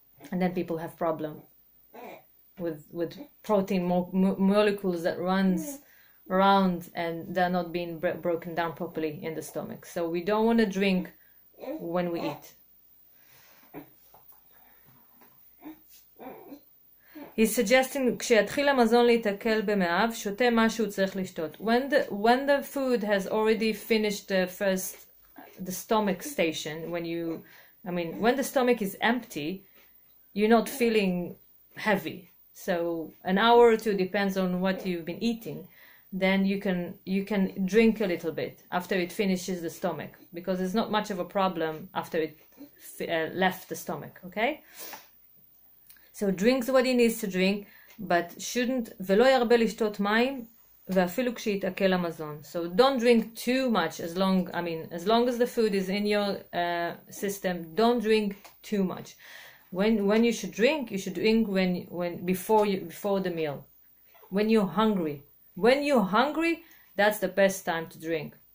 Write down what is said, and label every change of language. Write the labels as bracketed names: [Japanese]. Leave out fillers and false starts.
[English] And then people have problem with protein molecules that runs around and they're not being broken down properly in the stomach. So we don't want to drink when we eat. He's suggesting [Hebrew] כשיתחיל המזון להתעכל במאב, שותה מה שהוא צריך לשתות. [English] When the food has already finished the stomach station, when the stomach is empty, you're not feeling heavy. So an hour or two, depends on what you've been eating, then you can drink a little bit after it finishes the stomach, because it's not much of a problem after it left the stomach, okay? So drinks what he needs to drink, but shouldn't [Hebrew] ולא ירבה לשתות מים ואפילו כשיתעכל המזון. [English] So don't drink too much, as long as the food is in your system, don't drink too much. When you should drink before the meal, when you're hungry, that's the best time to drink.